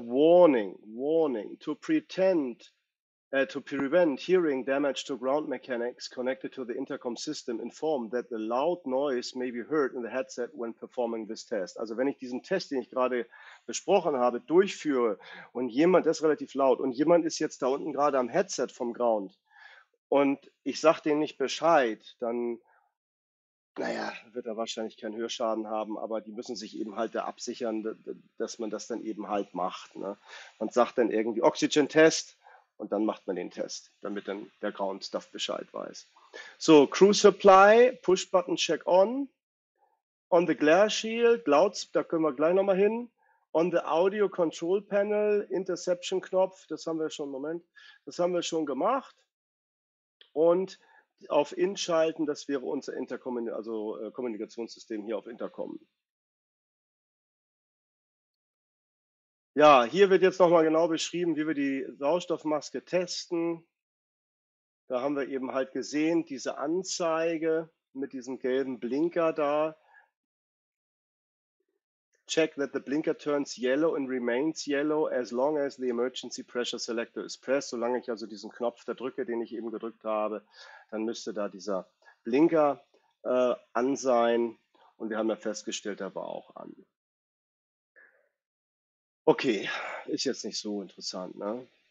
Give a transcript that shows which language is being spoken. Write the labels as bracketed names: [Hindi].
[English] Warning, to prevent hearing damage to ground mechanics connected to the intercom system, inform that the loud noise may be heard in the headset when performing this test. [German] Also wenn ich diesen Test, den ich gerade besprochen habe, durchführe und jemand, das ist relativ laut, und jemand ist jetzt da unten gerade am Headset vom Ground und ich sage denen nicht Bescheid, dann, naja, wird er wahrscheinlich keinen Hörschaden haben, aber die müssen sich eben halt da absichern, dass man das dann eben halt macht. Ne? Man sagt dann irgendwie Oxygen-Test. Und dann macht man den Test, damit dann der Ground Staff Bescheid weiß. [English] So, Crew Supply, Push Button Check On. On the Glare Shield, [German] da können wir gleich nochmal hin. [English] On the Audio Control Panel, [German] Interception Knopf, das haben wir schon, Moment, das haben wir schon gemacht. Und auf In schalten, das wäre unser Kommunikationssystem hier auf Intercom. Ja, hier wird jetzt nochmal genau beschrieben, wie wir die Sauerstoffmaske testen. Da haben wir eben halt gesehen, diese Anzeige mit diesem gelben Blinker da. [English] Check that the blinker turns yellow and remains yellow as long as the emergency pressure selector is pressed. [German] Solange ich also diesen Knopf da drücke, den ich eben gedrückt habe, dann müsste da dieser Blinker an sein. Und wir haben ja festgestellt, der war auch an. Okay, ist jetzt nicht so interessant, ne?